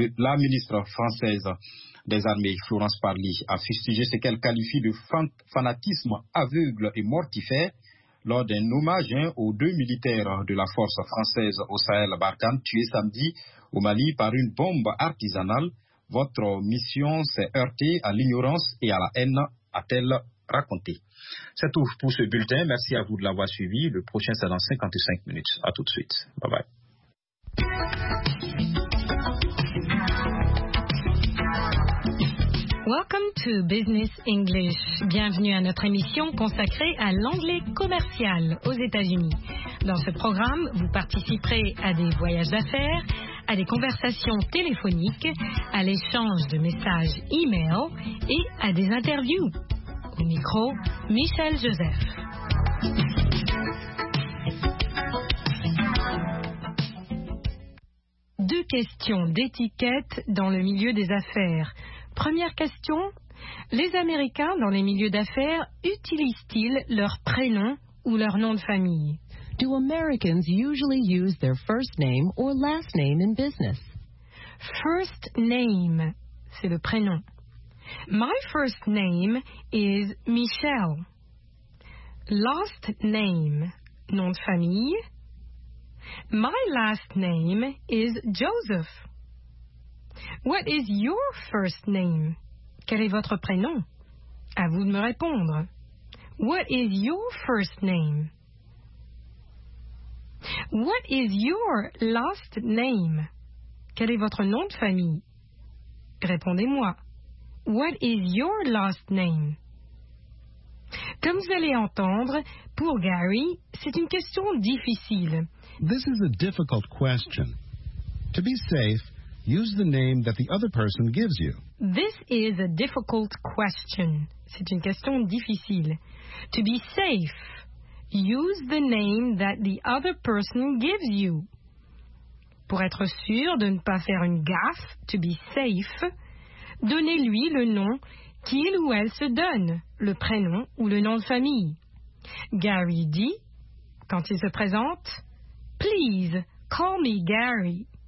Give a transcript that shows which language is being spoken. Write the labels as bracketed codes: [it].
[fr] La ministre française des armées, Florence Parly, a fustigé ce qu'elle qualifie de fanatisme aveugle et mortifère lors d'un hommage aux 2 militaires de la force française au Sahel Barkhane tués samedi au Mali par une bombe artisanale. Votre mission s'est heurtée à l'ignorance et à la haine, a-t-elle raconté. C'est tout pour ce bulletin. Merci à vous de l'avoir suivi. Le prochain sera dans 55 minutes. À tout de suite. Bye bye. [en] Welcome to Business English. [fr] Bienvenue à notre émission consacrée à l'anglais commercial aux États-Unis. Dans ce programme, vous participerez à des voyages d'affaires, à des conversations téléphoniques, à l'échange de messages e-mail et à des interviews. Au micro, Michel Joseph. Deux questions d'étiquette dans le milieu des affaires. Première question, les Américains dans les milieux d'affaires utilisent-ils leur prénom ou leur nom de famille? [en] Do Americans usually use their first name or last name in business? First name, [fr] c'est le prénom. [en] My first name is Michelle. Last name, [fr] nom de famille. [en] My last name is Joseph. What is your first name? [fr] Quel est votre prénom? À vous de me répondre. [en] What is your first name? What is your last name? [fr] Quel est votre nom de famille? Répondez-moi. [en] What is your last name? [fr] Comme vous allez entendre, pour Gary, c'est une question difficile. [en] This is a difficult question. To be safe, use the name that the other person gives you. This is a difficult question. [fr] C'est une question difficile. [en] To be safe, use the name that the other person gives you. [fr] Pour être sûr de ne pas faire une gaffe, [en] to be safe, [fr] donnez-lui le nom qu'il ou elle se donne, le prénom ou le nom de famille. Gary dit, quand il se présente, [en] please call me Gary.